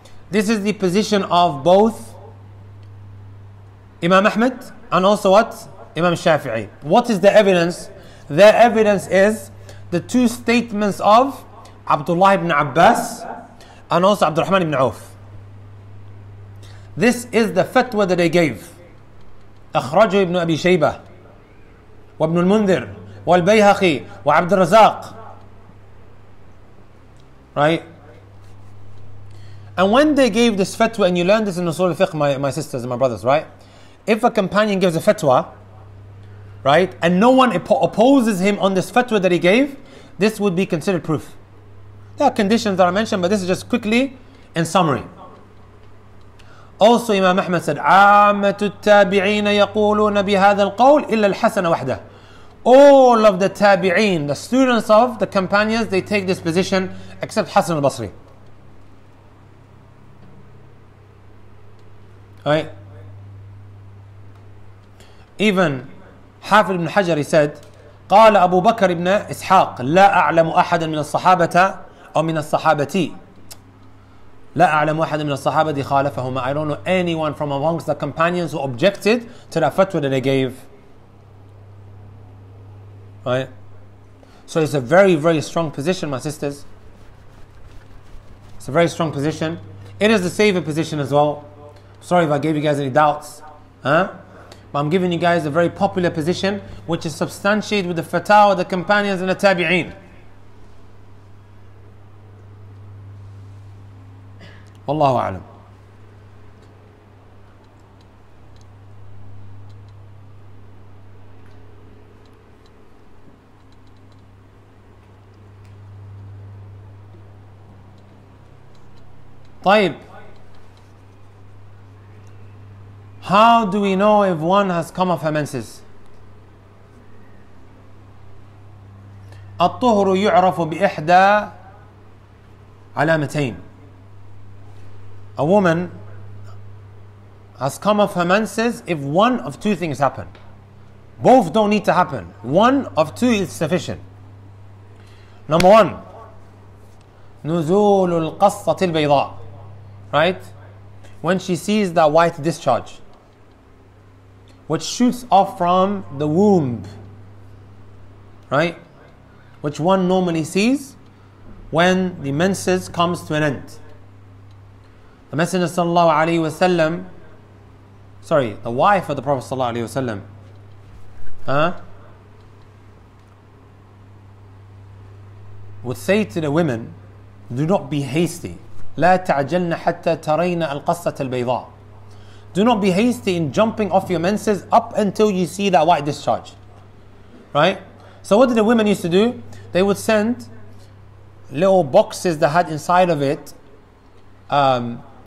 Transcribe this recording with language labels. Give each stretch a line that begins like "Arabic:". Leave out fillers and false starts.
English: This is the position of both Imam Ahmed and also what? Imam Shafi'i. What is the evidence? Their evidence is the two statements of Abdullah ibn Abbas and also Abdurrahman ibn Auf. This is the fatwa that they gave.
Arabic: أخرجوا ابن أبي شيبة وابن المنذر والبيهقي وعبد الرزاق.
English: Right? And when they gave this fatwa, and you learn this in Usul al-Fiqh, my sisters and my brothers, right? If a companion gives a fatwa, right? And no one opposes him on this fatwa that he gave, this would be considered proof. There are conditions that I mentioned, but this is just quickly in summary.
Arabic: Also, Imam Ahmad said, عَامَّةُ التَّابِعِينَ يَقُولُونَ بِهَذَا الْقَوْلِ إِلَّا الْحَسَنَ وَحْدَهُ.
English: All of the tabi'een, the students of the companions, they take this position except Hassan al-Basri. Right?
Arabic: Even Hafidh ibn Hajar, he said, قَالَ أَبُو بَكَرِ ibn إِسْحَاقِ لَا أَعْلَمُ أَحَدًا مِنَ الصَّحَابَةَ أَوْ مِنَ الصَّحَابَةِ لا أعلم واحد من الصحابة دي خالفهما.
English: I don't know anyone from amongst the companions who objected to the fatwa that they gave. Right? So it's a very, very strong position, my sisters. It's a very strong position. It is a safer position as well. Sorry if I gave you guys any doubts. Huh? But I'm giving you guys a very popular position which is substantiated with the fatwa, the companions and the tabi'een.
Arabic: والله أعلم. طيب.
English: How do we know if one has come off her menses?
Arabic: الطهر يعرف بإحدى علامتين.
English: A woman has come off her menses if one of two things happen. Both don't need to happen. One of two is sufficient. Number one,
Arabic: نزول القصة البيضاء.
English: Right? When she sees that white discharge, which shoots off from the womb. Right? Which one normally sees when the menses comes to an end. The Messenger sallallahu alayhi wa sallam, sorry, the wife of the Prophet sallallahu alayhi wa sallam, would say to the women, Do not be hasty.
Arabic: لا تعجلن حتى ترين القصة البيضاء.
English: Do not be hasty in jumping off your menses up until you see that white discharge. Right? So what did the women used to do? They would send little boxes that had inside of it cotton.